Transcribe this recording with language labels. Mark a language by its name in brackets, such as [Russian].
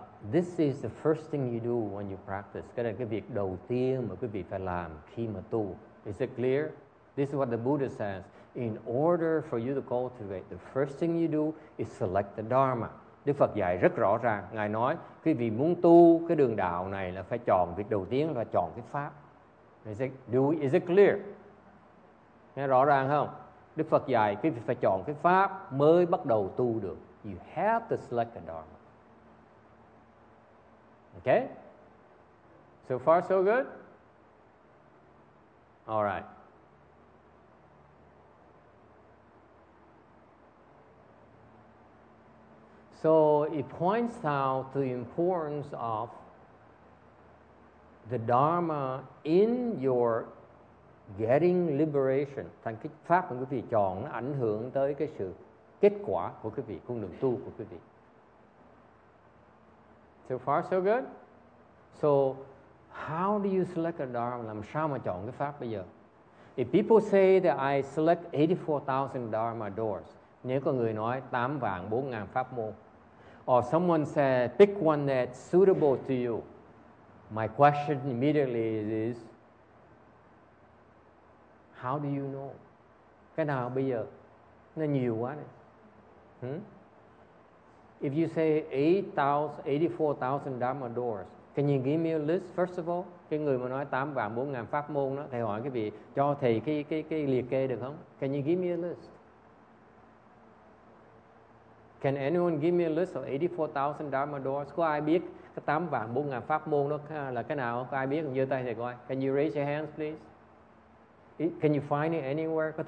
[English] This is the first thing you do when you practice. [Vietnamese] Cái việc đầu tiên mà quý vị phải làm khi mà tu. [English] Is it clear? This is what the Buddha says. In order for you to cultivate, the first thing you do is select the Dharma. [Vietnamese] Đức Phật dạy rất rõ ràng. Ngài nói, quý vị muốn tu cái đường đạo này là phải chọn việc đầu tiên là chọn cái Pháp. [English] Is it clear? [Vietnamese] Nghe rõ ràng không? Đức Phật dạy, quý vị phải chọn cái Pháp mới bắt đầu tu được. [English] You have to select the Dharma. Okay? So far, so good? All right. So it points out the importance of the Dharma in your getting liberation. [Vietnamese] Thành cái pháp mà quý vị chọn nó ảnh hưởng tới cái sự kết quả của quý vị, con đường tu của quý vị. [English] So far, so good? So how do you select a Dharma? [Vietnamese] Làm sao mà chọn cái pháp bây giờ? [English] If people say that I select 84,000 Dharma doors, [Vietnamese] nếu có người nói 84,000 pháp môn, [English] or someone said, pick one that's suitable to you. My question immediately is, how do you know? [Vietnamese] Cái nào bây giờ? Nó nhiều quá đấy. [English] If you say 84,000 Dharma doors, can you give me a list first of all? [Vietnamese] Cái người mà nói 84,000 pháp môn đó, thầy hỏi cái vị, cho thầy cái liệt kê được không? [English] Can you give me a list? Can anyone give me a list of 84,000 Dharma doors? [Vietnamese] Có ai biết cái 84,000 pháp môn đó là cái nào? Có ai biết? Giơ tay thầy coi. [English] Can you raise your hands, please? Can you find it anywhere?